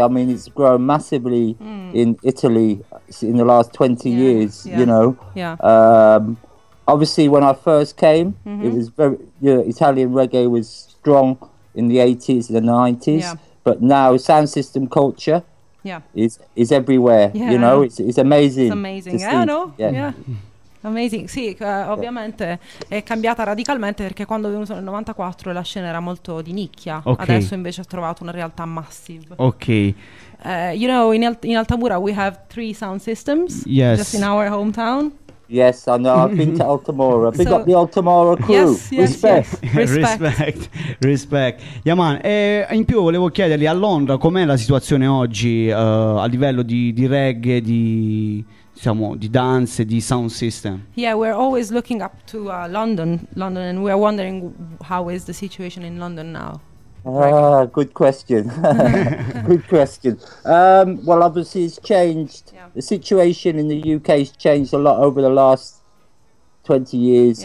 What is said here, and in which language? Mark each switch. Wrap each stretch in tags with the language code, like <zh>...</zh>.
<en>I mean, it's grown massively in Italy in the last 20 years. Yeah. You know, obviously when I first came, it was very Italian reggae was strong in the 80s and the 90s, but now sound system culture. Yeah, is everywhere. Yeah. You know, it's amazing. It's amazing. Yeah, I know. Yeah. Amazing,</en> <it>sì, ovviamente è cambiata radicalmente perché quando è venuto nel 94 la scena era molto di nicchia, okay. Adesso invece ha trovato una realtà massive. Ok.</it> <en>You know, in Altamura we have three sound systems, yes. Just in our hometown. Yes, I know, I've been to Altamura, big up the Altamura crew, yes, respect. Yes. Respect. Respect.</en> <it>Yaman, in più volevo chiedergli, a Londra com'è la situazione oggi a livello di reggae, di... Siamo di danze, di sound system.</it> <en>Yeah, we're always looking up to London, and we're wondering how is the situation in London now. Good question. Good question. Well, obviously it's changed. Yeah. The situation in the UK has changed a lot over the last 20 years.</en>